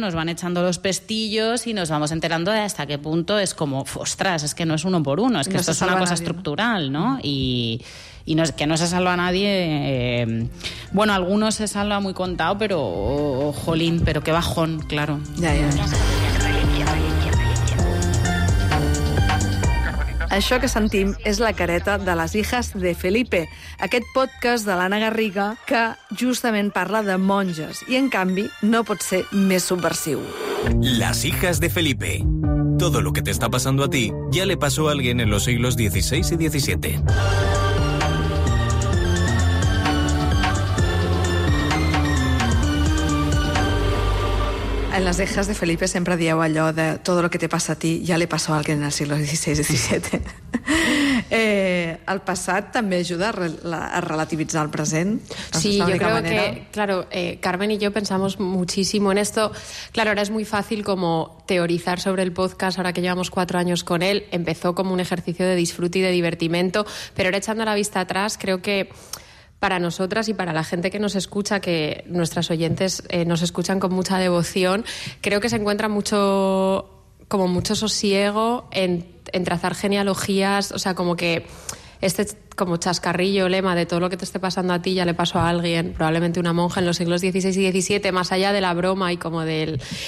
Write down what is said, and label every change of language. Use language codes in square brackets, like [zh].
[es] nos van echando los pestillos y nos vamos enterando de hasta qué punto es como, ostras, es que no es uno por uno, es que no esto es una cosa nadie, estructural, ¿no? ¿No? Y no, que no se salva a nadie. Bueno, algunos se salva muy contado, pero jolín, pero qué bajón, claro. Ya. [ca] Això que sentim és la careta de les hijas de Felipe, aquest podcast de l'Anna Garriga que justament parla de monges i, en canvi, no pot ser més subversiu. [es] Las hijas de Felipe. Todo lo que te está pasando a ti ya le pasó a alguien en los siglos XVI y XVII. [ca] En les eixes de Felipe sempre dieu allò de [es] todo lo que te pasa a ti ya le pasó a alguien en el siglo XVI y XVII. [ca] El passat també ajuda a relativitzar el present. [es] Sí, yo creo que, claro, Carmen y yo pensamos muchísimo en esto. Claro, ahora es muy fácil como teorizar sobre el podcast ahora que llevamos 4 años con él. Empezó como un ejercicio de disfrute y de divertimento, pero ahora echando la vista atrás, creo que para nosotras y para la gente que nos escucha, que nuestras oyentes nos escuchan con mucha devoción, creo que se encuentra mucho, como mucho sosiego en trazar genealogías, o sea, como que este como chascarrillo, lema de todo lo que te esté pasando a ti ya le pasó a alguien, probablemente una monja en los siglos XVI y XVII, más allá de la broma y como del...